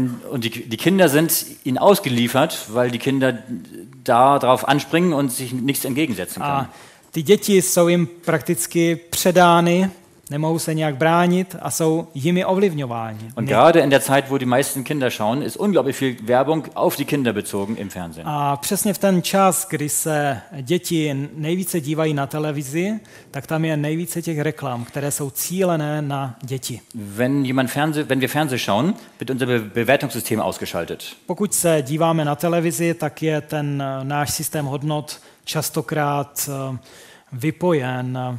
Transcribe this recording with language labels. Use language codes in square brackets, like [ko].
[de] Und die Kinder sind ihnen ausgeliefert, weil die Kinder da drauf anspringen und sich nichts entgegensetzen können. [cs] A ty děti jsou jim prakticky předány, nemohou se nějak bránit a jsou jimi ovlivňováni. [de] Und gerade in der Zeit, wo die meisten Kinder schauen, ist unglaublich viel Werbung auf die Kinder bezogen im Fernsehen. [cs] A přesně v ten čas, kdy se děti nejvíce dívají na televizi, tak tam je nejvíce těch reklam, které jsou cílené na děti. [de] Wenn wir Fernsehen schauen, wird unser Bewertungssystem ausgeschaltet. [cs] Pokud se díváme na televizi, tak je ten náš systém hodnot častokrát vypojen.